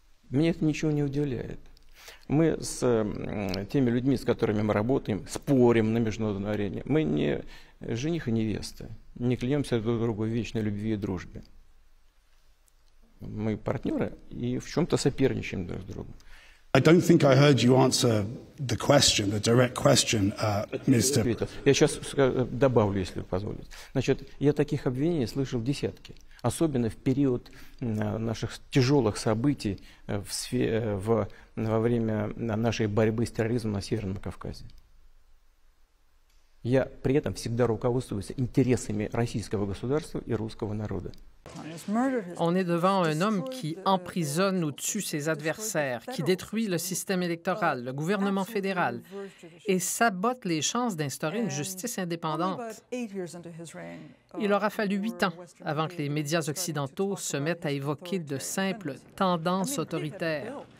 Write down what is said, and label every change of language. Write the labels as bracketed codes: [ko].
[ru] Меня это ничего не удивляет. Мы с теми людьми, с которыми мы работаем, спорим на международной арене. Мы не жених и невеста. Не клянемся друг другу в вечной любви и дружбе. Мы партнеры и в чем-то соперничаем друг с другом. [en] I don't think I heard you answer the question, the direct question, Mr. [ru] Я сейчас добавлю, если позволите. Значит, я таких обвинений слышал десятки, особенно в период наших тяжелых событий во время нашей борьбы с терроризмом на Северном Кавказе. Я при этом всегда руководствуюсь интересами российского государства и русского народа. [fr] On est devant un homme qui emprisonne ou tue ses adversaires, qui détruit le système électoral, le gouvernement fédéral, et sabote les chances d'instaurer une justice indépendante. Il aura fallu 8 ans avant que les médias occidentaux se mettent à évoquer de simples tendances autoritaires.